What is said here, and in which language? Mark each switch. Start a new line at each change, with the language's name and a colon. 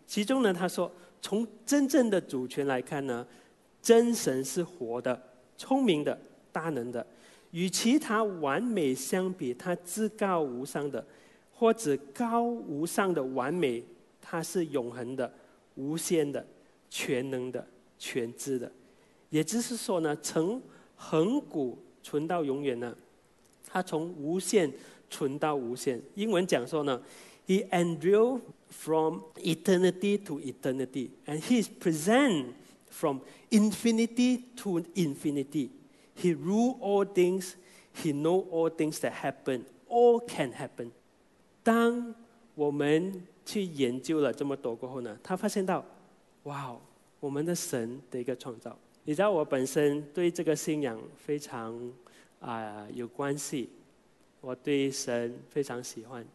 Chinese: 其中呢，他说从真正的主权来看呢，真神是活的、聪明的、大能的，与其他完美相比，他至高无上的，或者高无上的完美，他是永恒的、无限的、全能的、全知的。也就是说呢，从恒古存到永远呢，他从无限存到无限。英文讲说呢，
English: He endures from eternity to eternity, and he is present from infinity to infinity. He rules all things, he knows all things that happen, all can happen.
Chinese: 当我们去研究了这么多过后呢，他发现到哇，我们的神的一个创造。你知道我本身对这个信仰非常有关系，我对神非常喜欢。